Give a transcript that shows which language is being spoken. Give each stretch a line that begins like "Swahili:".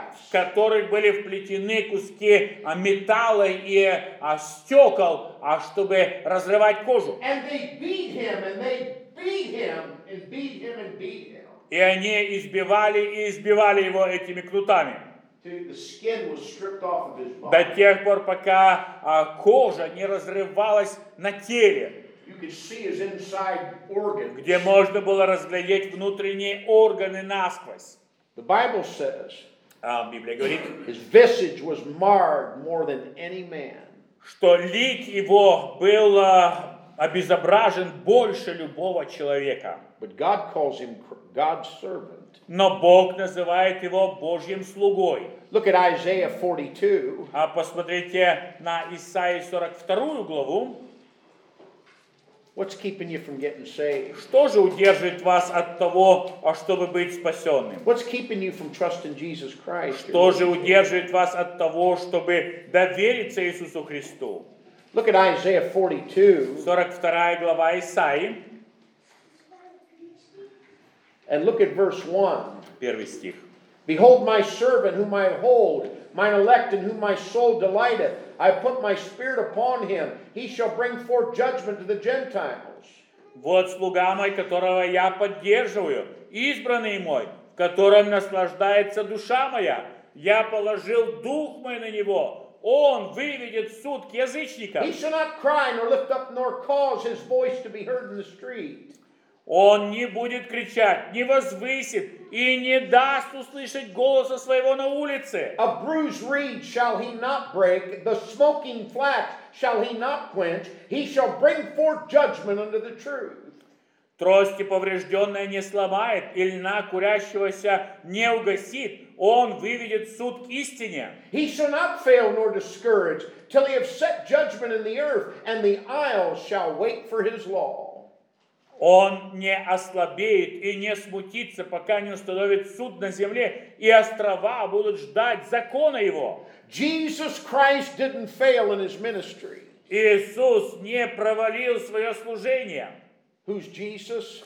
Russian: Которые были вплетены куски металла и стекол, чтобы разрывать кожу. И они избивали и избивали его этими крутами.
English: The skin was stripped off of his body.
Russian: До тех пор, пока кожа не разрывалась на теле,
English: you could see his inside organs.
Russian: Где можно было разглядеть внутренние органы насквозь.
English: The Bible says,
Russian: Библия говорит,
English: his visage was marred more than any man.
Russian: Что лик его был обезображен больше любого человека.
English: But God calls him God's servant.
Russian: Но Бог называет его Божьим слугой.
English: Look at Isaiah 42.
Russian: А посмотрите на Исаии 42 главу.
English: What's keeping you from getting saved?
Russian: Что же удерживает вас от того, чтобы быть спасенным?
English: What's keeping you from trusting Jesus Christ?
Russian: Что же удерживает вас от того, чтобы довериться Иисусу Христу?
English: Look at Isaiah 42.
Russian: 42 глава Исаии.
English: And look at verse 1.
Russian: Первый стих.
English: Behold my servant whom I hold, mine elect in whom my soul delighteth. I put my spirit upon him. He shall bring forth judgment to the Gentiles.
Russian: Вот слуга мой, которого я поддерживаю, избранный мой, в котором наслаждается душа моя. Я положил дух мой на него. Он выведет суд к язычникам.
English: He shall not cry nor lift up nor cause his voice to be heard in the street.
Russian: Он не будет кричать, не возвысит и не даст услышать голоса своего на улице.
English: A bruised reed shall he not break, the smoking flax shall he not quench, he shall bring forth judgment unto the truth.
Russian: Трости поврежденная не сломает, и льна курящегося не угасит. Он выведет суд к истине.
English: He shall not fail nor discourage, till he have set judgment in the earth, and the isles shall wait for his law.
Russian: Он не ослабеет и не смутится, пока не установит суд на земле, и острова будут ждать закона его.
English: Jesus Christ didn't fail in his ministry.
Russian: Иисус не провалил свое служение.
English: Who's Jesus?